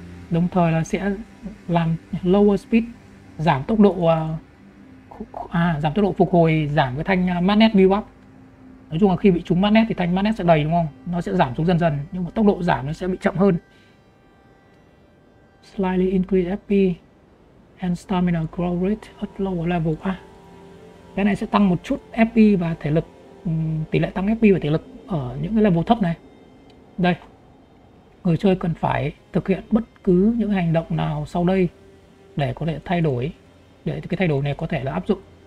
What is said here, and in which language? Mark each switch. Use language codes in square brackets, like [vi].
[vi] Đồng thời là sẽ làm [en] lower speed, [vi] giảm tốc độ giảm tốc độ phục hồi, giảm cái thanh Madness Build Up. Nói chung là khi bị trúng Madness thì thanh Madness sẽ đầy đúng không? Nó sẽ giảm xuống dần dần, nhưng mà tốc độ giảm nó sẽ bị chậm hơn. [en] Slightly increase FP and stamina growth rate at lower level. [vi] Cái này sẽ tăng một chút FP và thể lực, tỷ lệ tăng FP và thể lực ở những cái level thấp này. Đây, người chơi cần phải thực hiện bất cứ những hành động nào sau đây để có thể thay đổi, để cái thay đổi này có thể là áp dụng.